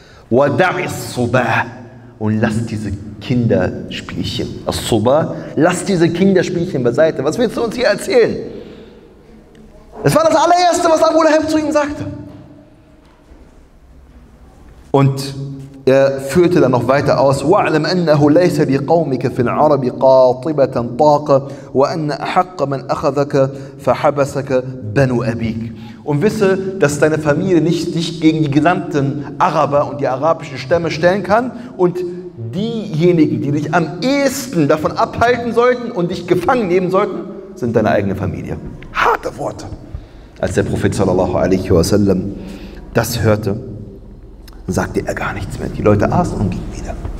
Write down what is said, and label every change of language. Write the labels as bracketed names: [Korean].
[Arabic] وَدَعِ الصُّبَاهِ, [German] und lass diese Kinderspielchen. الصُّبَاهِ, lass diese Kinderspielchen beiseite. Was willst du uns hier erzählen? Das war das allererste, was Abu Lahab zu ihm sagte. Und Er führte dann noch weiter aus: [Arabic] وَعْلَمْ أَنَّهُ لَيْسَ لِقَوْمِكَ فِي الْعَرَبِ قَاطِبَةً طَاقَ وَأَنَّ أَحَقَّ مَنْ أَخَذَكَ فَحَبَسَكَ بَنُوا أَبِيكَ. [German] Und wisse, dass deine Familie nicht dich gegen die gesamten Araber und die arabischen Stämme stellen kann, und diejenigen, die dich am ehesten davon abhalten sollten und dich gefangen nehmen sollten, sind deine eigene Familie. Harte Worte. Als der Prophet sallallahu alaihi wasallam das hörte, sagte er gar nichts mehr. Die Leute aßen und gingen wieder.